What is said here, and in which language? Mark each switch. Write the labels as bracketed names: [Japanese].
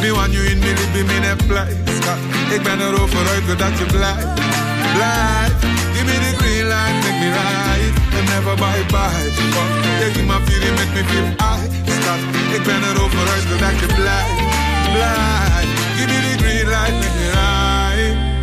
[English] Me want you in me, leave me in that place. [Dutch] Ik ben er over uit, wil dat je blijft. Blijf. [English] Give me the green light, make me right. And never bye bye. Take my feeling, make me feel high. [Dutch] Ik ben er over uit, wil dat je blijft. [English] Give me the green light, make me right.